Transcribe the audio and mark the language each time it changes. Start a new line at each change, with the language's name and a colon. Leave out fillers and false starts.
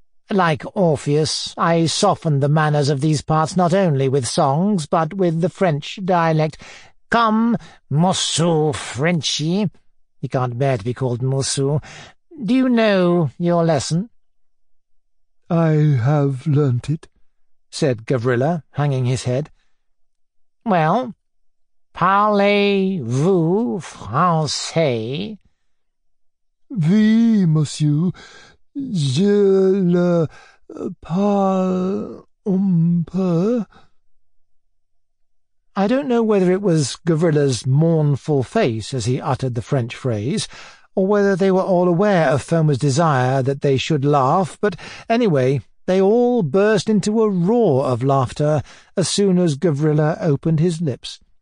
English: Like Orpheus, I soften the manners of these parts not only with songs, but with the French dialect. Come, Moussou Frenchy. He can't bear to be called Moussou. Do you know your lesson? I have learnt it, said Gavrila, hanging his head.
French: Well, parlez-vous français? Oui, monsieur, je le parle un peu.
English: I don't know whether it was Gavrila's mournful face as he uttered the French phrase, or whether they were all aware of Foma's desire that they should laugh, but anyway, they all burst into a roar of laughter as soon as Gavrila opened his lips.